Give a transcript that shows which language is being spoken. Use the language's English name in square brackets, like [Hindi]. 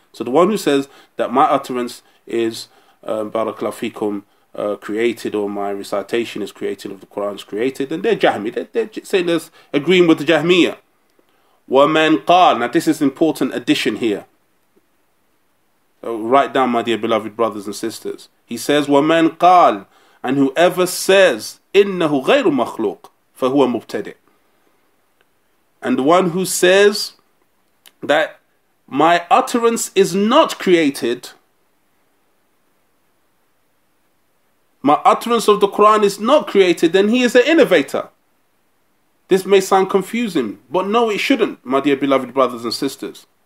[English] So the one who says that my utterance is barakallahu fikum created, or my recitation is created, of the Qur'an is created, then they're Jahmi. They're saying they're agreeing with the Jahmiyyah. [Arabic] وَمَنْ قَالَ. [English] Now this is an important addition here. So write down, my dear beloved brothers and sisters. He says, [Arabic] وَمَنْ قَالَ. [English] And whoever says, [Arabic] إِنَّهُ غَيْرُ مَخْلُوقٍ فَهُوَ مُبْتَدِعٍ. [English] And the one who says that my utterance is not created, my utterance of the Qur'an is not created, then he is an innovator. This may sound confusing, but no, it shouldn't, my dear beloved brothers and sisters.